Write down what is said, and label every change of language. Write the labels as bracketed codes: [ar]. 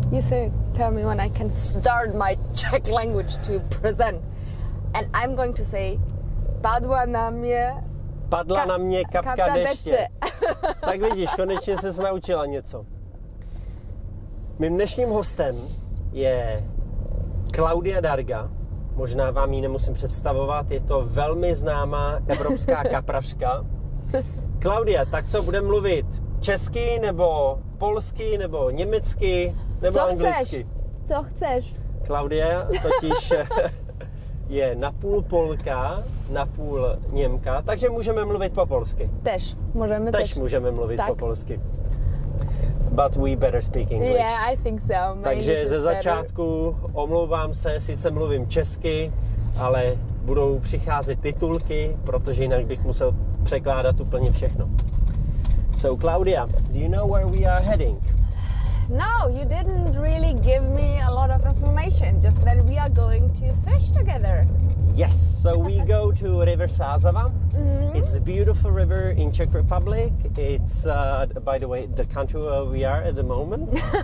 [en] You say, tell me when I can start my Czech language to present. And I'm going to say, [cs] padla na mě kapka deště. Tak vidíš, konečně se naučila něco. Mým dnešním hostem je Claudia Darga. Možná vám ji nemusím představovat, je to velmi známá evropská kapraška. Claudia, tak co, budem mluvit česky, nebo polsky, nebo německy, nebo anglicky? Co chceš? Claudia totiž je napůl Polka, napůl Němka, takže můžeme mluvit po polsky. Můžeme mluvit po polsky. [en] But we better speak English. Yeah, I think so. Maybe [cs] takže ze začátku omlouvám se, sice mluvím česky, ale budou přicházet titulky, protože jinak bych musel překládat úplně všechno. [en] So, Claudia, do you know where we are heading? No, you didn't really give me a lot of information, just that we are going to fish together. Yes, so we go to River Sázava. Mm-hmm. It's a beautiful river in Czech Republic. It's, by the way, the country where we are at the moment.